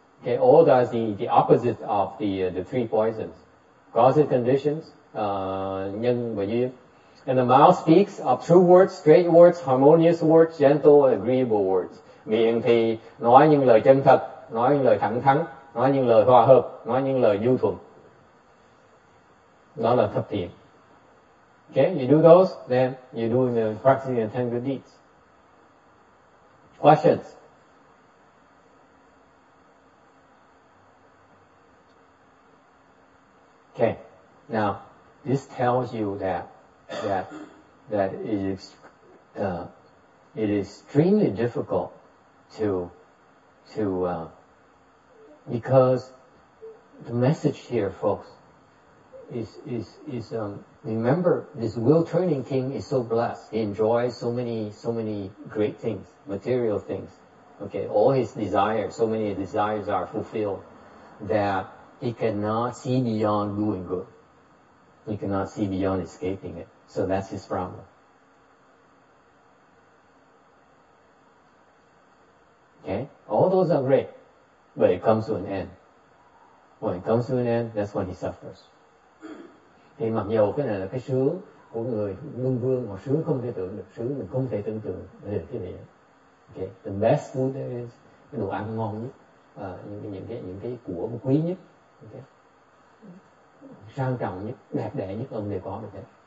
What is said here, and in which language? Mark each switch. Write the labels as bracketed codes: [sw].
[en] Okay, all that is the opposite of the three poisons. Causes and conditions, [vi] nhân và duyên. [en] And the mouth speaks of true words, straight words, harmonious words, gentle and agreeable words. [vi] Miệng thì nói những lời chân thật, nói những lời thẳng thắn, nói những lời hòa hợp, nói những lời nhu thuận. Đó là thập thiện. [en] Okay, you do those, then you do the practicing the 10 good deeds. Questions? Okay. Now, this tells you that it is extremely difficult because the message here, folks, is remember, this will turning king is so blessed. He enjoys so many great things, material things. Okay, all his desires, so many desires are fulfilled that he cannot see beyond doing good. He cannot see beyond escaping it. So that's his problem. Okay, all those are great, but it comes to an end. When it comes to an end, that's when he suffers. [vi] Thì mặc dù cái này là cái sướng của người luân vương mà sướng không thể tưởng được, sướng mình không thể tưởng tượng được cái gì. [en] Okay, the best food there is, [vi] cái đồ ăn ngon nhất, những cái của quý nhất, okay, sang trọng nhất, đẹp đẽ nhất ông đều có được hết.